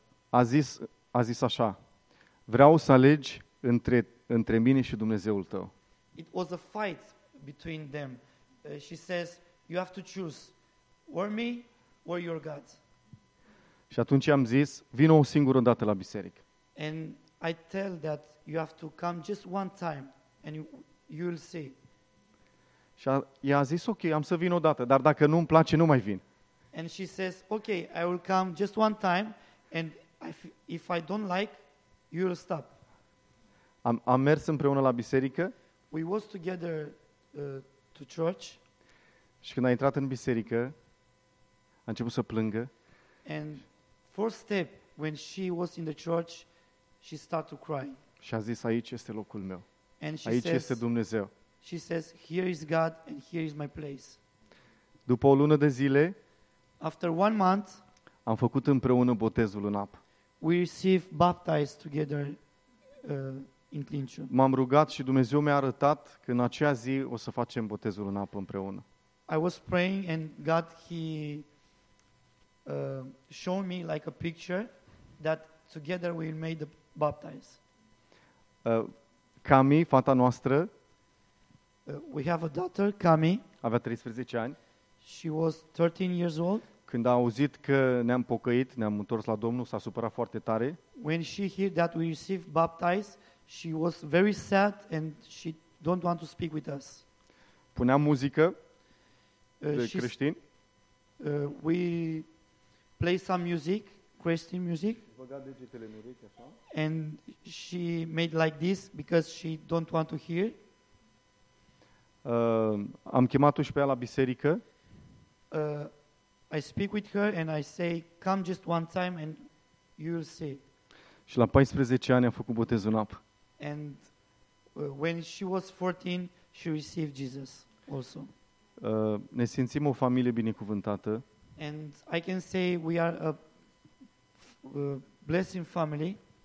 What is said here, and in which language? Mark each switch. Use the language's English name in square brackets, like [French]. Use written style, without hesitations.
[Romanian] a zis așa: vreau să alegi între mine și Dumnezeul tău. [English] It was a fight between them. She says, you have to choose, or me or your God. [Romanian] Și atunci am zis, vino o singură dată la biserică. [English] And I tell that you have to come just one time and you will see. [Romanian] Și ea a zis, ok, am să vin o dată, dar dacă nu-mi place, nu mai vin. [English] And she says, okay, I will come just one time and if I don't like, you will stop. [Romanian] Am mers împreună la biserică. [English] We was together to church. [Romanian] Și când a intrat în biserică, a început să plângă. [English] And first step, when she was in the church, she started to cry. [Romanian] Și a zis, aici este locul meu. Aici este Dumnezeu. [English] She says, here is God and here is my place. [Romanian] După o lună de zile, [English] after one month, [Romanian] am făcut împreună botezul în apă. [English] We received baptized together in Clinciu. [Romanian] M-am rugat și Dumnezeu mi-a arătat că în acea zi o să facem botezul în apă împreună. [English] I was praying and God he showed me like a picture that together we made the baptize. [Romanian] Cami, fata noastră, [English] we have a daughter, Cami. [Romanian] Avea 13 ani. [English] She was 13 years old. [Romanian] Când a auzit că ne-am pocăit, ne-am întors la Domnul, s-a supărat foarte tare. [English] When she heard that we received baptize, she was very sad and she don't want to speak with us. [Romanian] Puneam muzică de creștin. [English] We play some music, Christian music. [Romanian] Băga degetele în ureche așa. [English] And she made like this because she don't want to hear. [Romanian] Am chemat-o și pe ea la biserică. [English] I speak with her and I say, come just one time and you will see. [Romanian] Și la 14 ani a făcut botezul în apă. [English] And when she was 14, she received Jesus also. [Romanian] Ne simțim o familie binecuvântată. [English] And I can say we are a blessing family.